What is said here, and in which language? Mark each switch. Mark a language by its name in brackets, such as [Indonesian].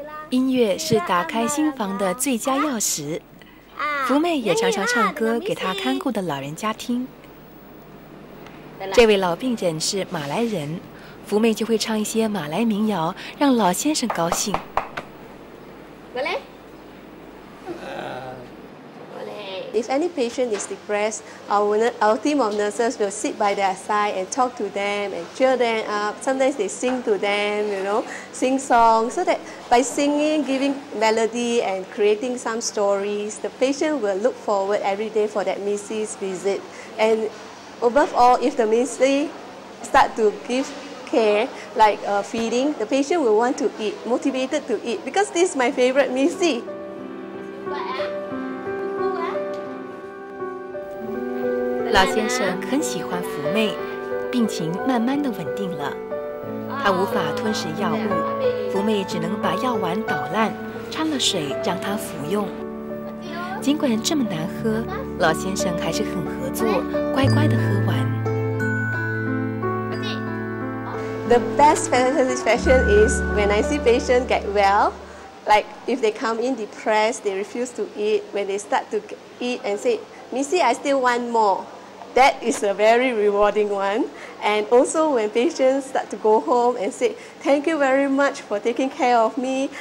[Chinese] 音乐是打开心房的最佳钥匙，福妹也常常唱歌给她看顾的老人家听。这位老病人是马来人，福妹就会唱一些马来民谣让老先生高兴。 [English] If any patient is depressed, our team of nurses will sit by their side and talk to them and cheer them up. Sometimes they sing to them, you know, sing songs. So that by singing, giving melody and creating some stories, the patient will look forward every day for that missy's visit. And above all, if the missy start to give care, like feeding, the patient will want to eat, motivated to eat, because this is my favorite missy. [Chinese] 老先生很喜欢福妹，病情慢慢的稳定了，他无法吞食药物，福妹只能把药丸捣烂掺了水让他服用。尽管这么难喝，老先生还是很合作，乖乖的喝完。 [English] The best satisfaction is when I see patients get well. Like if they come in depressed, they refuse to eat. When they start to eat and say, Missy, I still want moreThat is a very rewarding one. And also when patients start to go home and say, thank you very much for taking care of me.